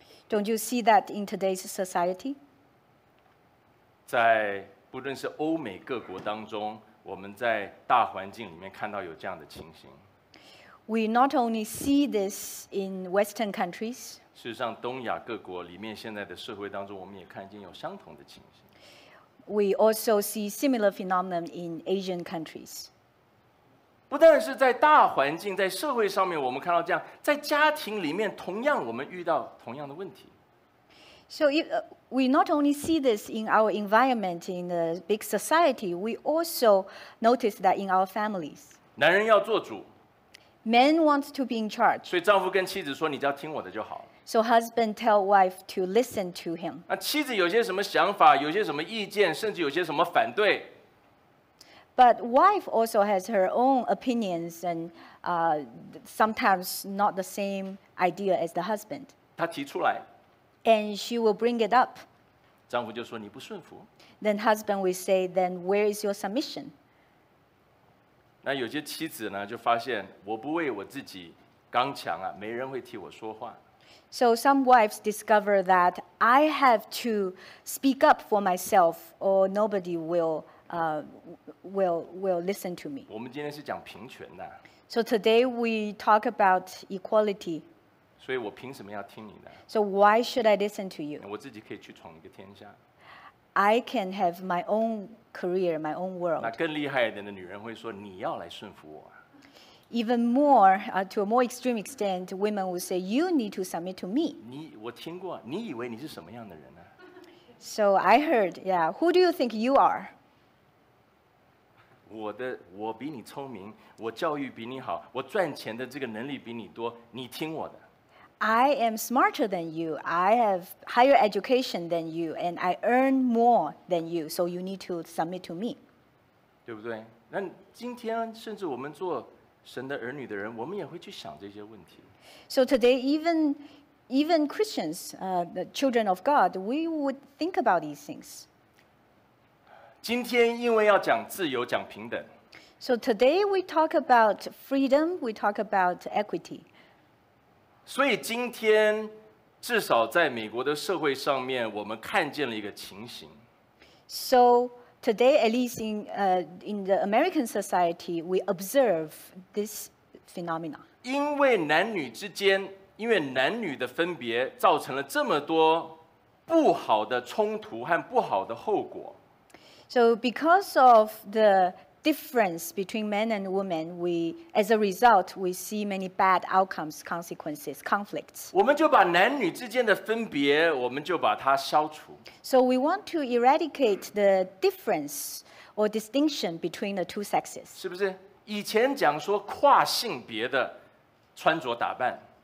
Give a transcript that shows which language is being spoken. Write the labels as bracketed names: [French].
[English] Don't you see that in today's society? [Chinese] 在不论是欧美各国当中，我们在大环境里面看到有这样的情形。 [English] We not only see this in Western countries. [Chinese] 事实上，东亚各国里面现在的社会当中，我们也看见有相同的情形。 [English] We also see similar phenomenon in Asian countries. [Chinese] 不但是在大环境，在社会上面我们看到这样，在家庭里面同样我们遇到同样的问题。 [English] So we not only see this in our environment in the big society, we also notice that in our families. [Chinese] 男人要做主。 [English] Men wants to be in charge. [Chinese] 所以丈夫跟妻子说，你只要听我的就好。 [English] So husband tell wife to listen to him. [Chinese] 那妻子有些什么想法，有些什么意见，甚至有些什么反对。 [English] But wife also has her own opinions and sometimes not the same idea as the husband. [Chinese] 她提出来。 [English] And she will bring it up. [Chinese] 丈夫就说你不顺服。 [English] Then husband will say, then where is your submission? [Chinese] 那有些妻子呢，就发现我不为我自己刚强啊，没人会替我说话。 [English] So some wives discover that I have to speak up for myself or nobody will listen to me. [Chinese] 我们今天是讲平权的。 [English] So today we talk about equality. [Chinese] 所以我凭什么要听你的？ [English] So why should I listen to you? [Chinese] 我自己可以去闯一个天下。 [English] I can have my own career, my own world. [Chinese] 那更厉害一点的女人会说，你要来顺服我。 [English] Even more, to a more extreme extent, women will say, you need to submit to me. [Chinese] 你，我听过，你以为你是什么样的人呢？ [English] So I heard, yeah, who do you think you are? [Chinese] 我比你聪明，我教育比你好，我赚钱的这个能力比你多，你听我的。 [English] I am smarter than you, I have higher education than you, and I earn more than you, so you need to submit to me. [Chinese] 对不对？那今天甚至我们做神的儿女的人，我们也会去想这些问题。 [English] So today, even Christians, the children of God, we would think about these things. [Chinese] 今天因为要讲自由，讲平等。 [English] So today we talk about freedom, we talk about equity. [Chinese] 所以今天至少在美国的社会上面，我们看见了一个情形。 [English] So. Today, at least in the American society, we observe this phenomena. [Chinese] 因为男女之间，因为男女的分别，造成了这么多不好的冲突和不好的后果。 [English] So because of the difference between men and women, as a result, we see many bad outcomes, consequences, conflicts. [Chinese] 我们就把男女之间的分别，我们就把它消除。 [English] So we want to eradicate the difference or distinction between the two sexes. [Chinese] 是不是？以前讲说跨性别的穿着打扮。